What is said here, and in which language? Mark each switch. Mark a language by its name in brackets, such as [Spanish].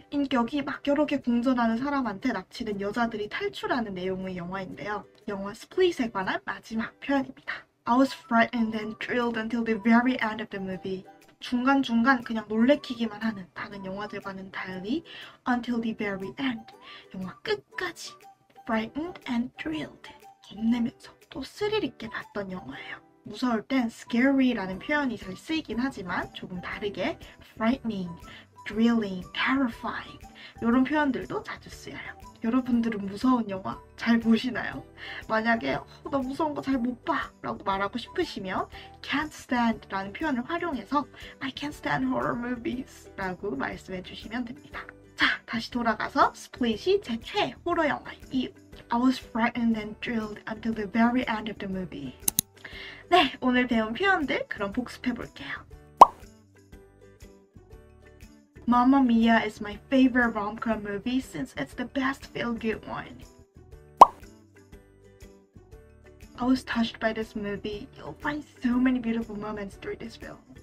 [Korean] 인격이 막 여러 개 공존하는 사람한테 납치된 여자들이 탈출하는 내용의 영화인데요. 영화 스플릿에 관한 마지막 표현입니다. [English] I was frightened and thrilled until the very end of the movie. [Korean] 중간중간 그냥 놀래키기만 하는 다른 영화들과는 달리 until the very end. 영화 끝까지 frightened and thrilled. 겁내면서 또 스릴 있게 봤던 영화예요. 무서울 땐 scary라는 표현이 잘 쓰이긴 하지만 조금 다르게 frightening, thrilling, terrifying 이런 표현들도 자주 쓰여요. 여러분들은 무서운 영화 잘 보시나요? 만약에 나 무서운 거잘못 봐라고 말하고 싶으시면 can't stand라는 표현을 활용해서 I can't stand horror movies 라고 말씀해 주시면 됩니다. 자, 다시 돌아가서 Split이 제 최애 호러 영화 이유. [English] I was frightened and thrilled until the very end of the movie. [Korean] 네, 오늘 배운 표현들 그럼 복습해 볼게요. [English] Mamma Mia is my favorite rom-com movie since it's the best feel-good one. I was touched by this movie. You'll find so many beautiful moments through this film.